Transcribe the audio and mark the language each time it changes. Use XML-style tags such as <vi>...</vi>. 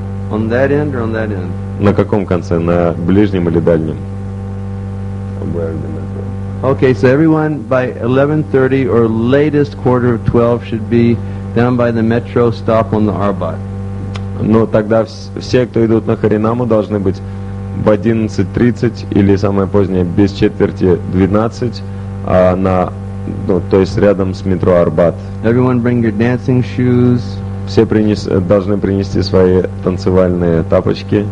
<en>On that end or on that end?</en> <ru>На каком конце? На ближнем или дальнем?</ru> <en>Okay, so everyone by 11:30 or latest 11:45 should be down by the metro stop on the Arbat.</en> <ru>Ну, тогда все, кто идут на Харинаму, должны быть в 11:30 или самое позднее без четверти 12 на, ну, то есть рядом с метро Арбат.</ru> <en>Everyone bring your dancing shoes.</en> <ru>Все должны принести свои танцевальные тапочки.</ru>